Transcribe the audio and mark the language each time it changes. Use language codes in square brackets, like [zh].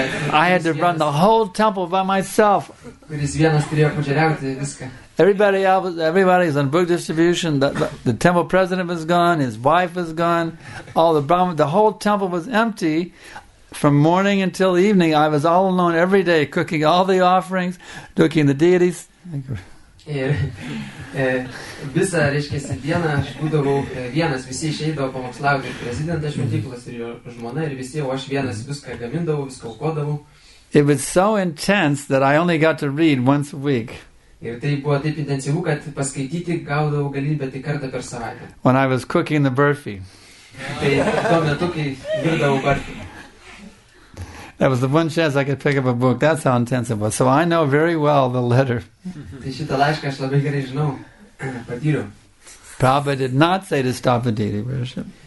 [en] I had to run the whole temple by myself. Everybody's on book distribution. The temple president was gone. His wife was gone. All the Brahmins, the whole temple was empty. From morning until evening, I was all alone every day, cooking all the offerings, cooking the deities. [lt] Visą, reiškia, dieną aš būdavau vienas, visi išeidavo pamokslauti prezidentą šventyklos ir jo žmona ir visi, o aš vienas viską gamindavau, viską aukodavau. [en] It was so intense that I only got to read once a week. [lt] Ir tai buvo taip intensyvu, kad paskaityti gaudavau galimybę tik kartą per savaitę. [en] When I was cooking the burfi. [lt] Tai tuo metu, kai virdavau burfi. [en] That was the one chance I could pick up a book. That's how intense it was. So I know very well the letter. Prabhupada did not say to stop the deity worship.